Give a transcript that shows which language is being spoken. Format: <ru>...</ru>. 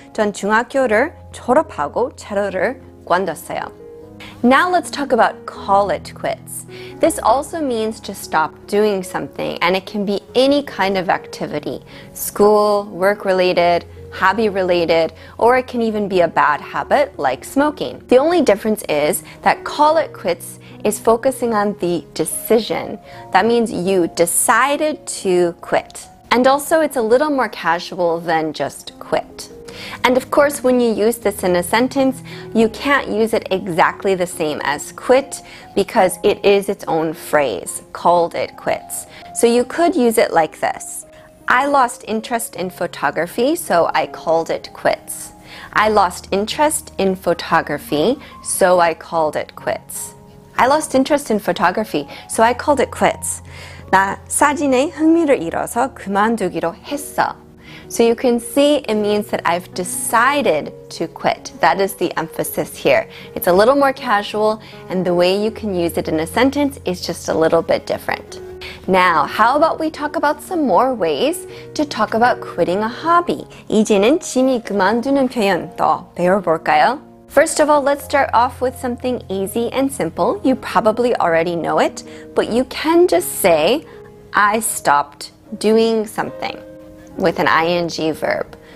<ko>전 중학교를 졸업하고 첼로를 관뒀어요.</ko> <en>Now let's talk about call it quits. This also means to stop doing something, and it can be any kind of activity. School, work-related, hobby-related, or it can even be a bad habit like smoking. The only difference is that call it quits is focusing on the decision. That means you decided to quit. And also, it's a little more casual than just quit. And of course, when you use this in a sentence, you can't use it exactly the same as quit because it is its own phrase, called it quits. So you could use it like this. I lost interest in photography, so I called it quits. I lost interest in photography, so I called it quits. I lost interest in photography, so I called it quits.</en> <ko>나 사진에 흥미를 잃어서 그만두기로 했어.</ko> <en>So you can see it means that I've decided to quit. That is the emphasis here. It's a little more casual, and the way you can use it in a sentence is just a little bit different. Now, how about we talk about some more ways to talk about quitting a hobby?</en> <ko>이제는 취미 그만두는 표현 더 배워볼까요?</ko> <en>First of all, let's start off with something easy and simple. You probably already know it, but you can just say, I stopped doing something with an ing verb.</en>